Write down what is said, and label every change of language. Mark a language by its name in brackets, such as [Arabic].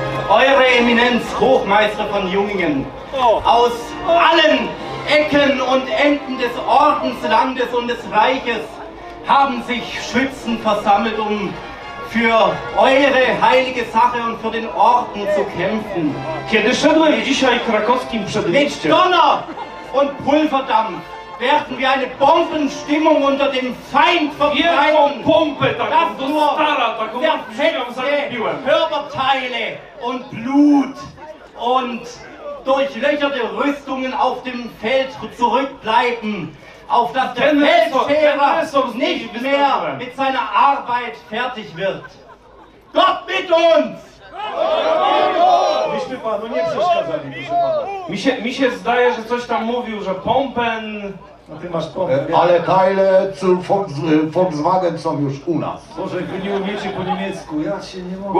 [German] Eure Eminenz, Hochmeister von Jungingen. Aus allen Ecken und Enden des Ordens, Landes und des Reiches haben sich Schützen versammelt, um für eure heilige Sache und für den Orden zu kämpfen. [Polish] Kiedy szedłem dzisiaj krakowskim przedmieściem, [German] mit Donner und Pulverdampf werden wir eine Bombenstimmung unter dem Feind verbreiten. Pumpe, das nur zerfetzte Körperteile und Blut und durchlöcherte Rüstungen auf dem Feld zurückbleiben. auf dass der Feldscherer nicht mehr mit seiner Arbeit fertig wird. Gott mit uns! [Polish] Myślę panu, nie przeszkadzali, proszę pana. Mi się zdaje, że coś tam mówił, że Pompen... A ty masz Pompen. Ale [German] Teile zu [Polish] Volkswagen są już u nas. Boże, jak wy nie umiecie po niemiecku, ja się nie mogę.